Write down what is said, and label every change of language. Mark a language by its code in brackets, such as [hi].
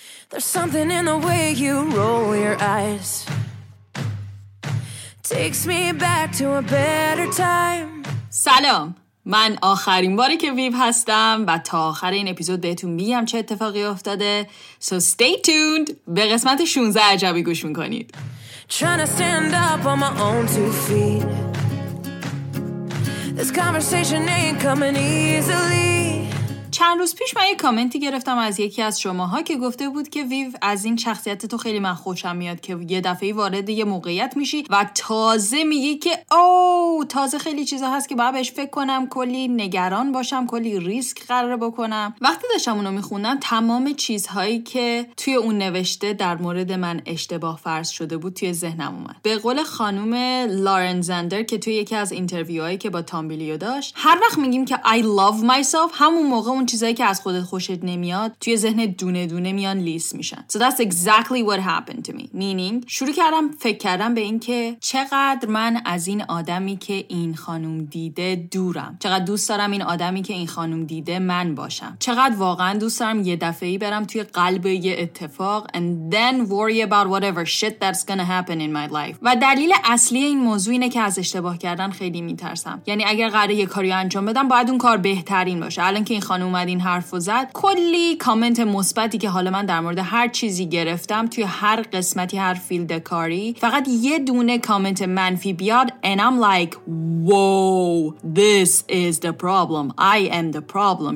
[en] There's something in the way you roll your eyes. Takes me back to a better time. [fa] سلام، من آخرین باری که ویو هستم و تا آخر این اپیزود بهتون میگم چه اتفاقی افتاده. [en] So stay tuned. [fa] به قسمت 16 عجبی گوش میکنید. [en] Trying to stand up on my own two feet. This conversation ain't coming easily. [fa] چند روز پیش من یه کامنتی گرفتم از یکی از شماها که گفته بود که ویو از این شخصیت تو خیلی من خوشم میاد که یه دفعه وارد یه موقعیت میشی و تازه میگی که تازه خیلی چیزا هست که باید بهش فکر کنم، کلی نگران باشم، کلی ریسک قرار بکنم. وقتی داشتم اونو میخوندم تمام چیزهایی که توی اون نوشته در مورد من اشتباه فرض شده بود توی ذهنم اومد. به قول خانم لارن زندر که توی یکی از اینترویوهایی که با تامبیلیو داشت، هر وقت میگیم که [en] I love myself، [fa] همون موقع اون چیزایی که از خودت خوشت نمیاد توی ذهنت دونه دونه میان لیست میشن. [en] So that's exactly what happened to me. Meaning [fa] شروع کردم فکر کردم به این که چقدر من از این آدمی که این خانم دیده دورم. چقدر دوست دارم این آدمی که این خانم دیده من باشم. چقدر واقعا دوست دارم یه دفعه‌ای برم توی قلب یه اتفاق [en] and then worry about whatever shit that's gonna happen in my life. [fa] و دلیل اصلی این موضوع اینه که از اشتباه کردن خیلی میترسم. یعنی اگر قراره یه کاری انجام بدم باید اون کار بهترین باشه. الان که خانم اومد این حرفو زد، کلی کامنت مثبتی که حالا من در مورد هر چیزی گرفتم توی هر قسمتی هر فیلد کاری، فقط یه دونه کامنت منفی بیاد [en] and I'm like whoa, this is the problem, I am the problem.